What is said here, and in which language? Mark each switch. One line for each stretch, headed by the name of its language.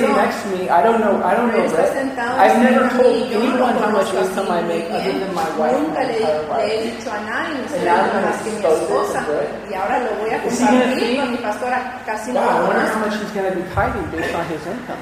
English: Greg sitting next to me, I don't know Greg. I've never told anyone how much income I make other than my wife.
Spanish: Nunca le he dicho a nadie más que mi esposa.
English: Is he going to think, wow, I wonder how much he's going to be tithing based on his income?